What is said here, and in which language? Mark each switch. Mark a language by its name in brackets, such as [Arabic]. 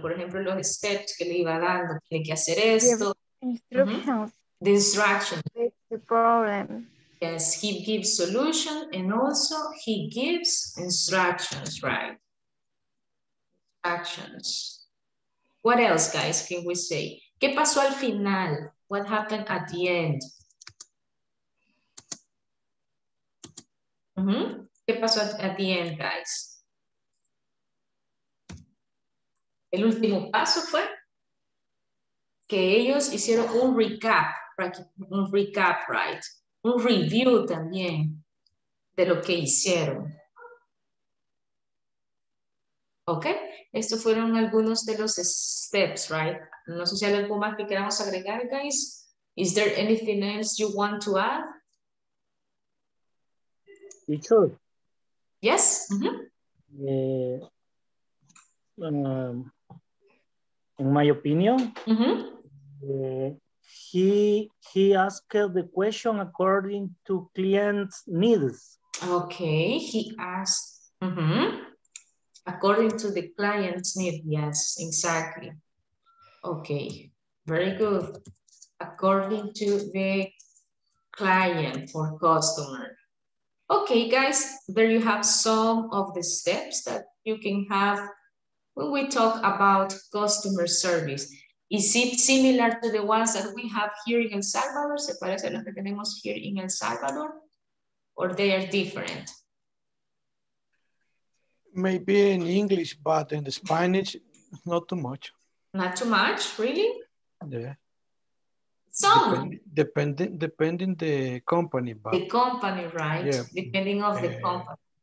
[Spanish] For example, los steps que le iba dando, tiene que hacer esto. [English] Instructions. Mm-hmm. The instructions. The problem. Yes, he gives solution and also he gives instructions, right? Actions. What else, guys, can we say? ¿Qué pasó al final? What happened at the end? Mm-hmm. ¿Qué pasó at the end, guys? [Spanish] El último paso fue que ellos hicieron un recap, right? Un recap, right? Un review también de lo que hicieron. Ok, estos fueron algunos de los steps, right? No sé si hay algo más que queramos agregar, guys. [English] Is there anything else you want to add? Teacher. Yes. Mm-hmm. In my opinion, mm-hmm. he asked the question according to client's needs. Ok, he asked. Mm-hmm. According to the client's need, yes, exactly. Okay, very good. According to the client or customer. Okay, guys, there you have some of the steps that you can have when we talk about customer service. Is it similar to the ones that we have here in El Salvador? [Spanish] ¿Se parece a los que tenemos here in El Salvador? [English] Or they are different? Maybe in English, but in the Spanish, not too much. Not too much, really? Yeah. Some. Depending the company. But the company, right? Yeah. Depending of the company.